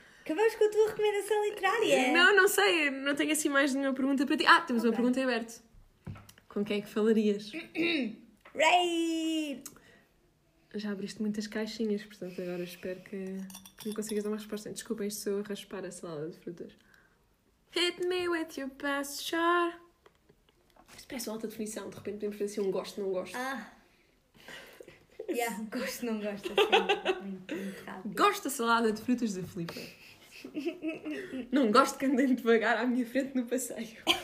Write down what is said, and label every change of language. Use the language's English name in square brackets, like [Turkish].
[Portuguese] Acabamos com a tua recomendação literária. Não sei, não tenho assim mais nenhuma pergunta para ti. Ah, temos uma pergunta em aberto. Com quem é que falarias? Ray! Já abriste muitas caixinhas, portanto agora espero que me consigas dar uma resposta. Desculpem, isto sou a raspar a salada de frutas. [English] Hit me with your best shot. [Portuguese] Isto parece uma alta definição, de repente podemos fazer assim um gosto, não gosto. Yeah, gosto, não gosto. Assim, gosto da salada de frutas da Filipa. Não gosto que andem devagar à minha frente no passeio.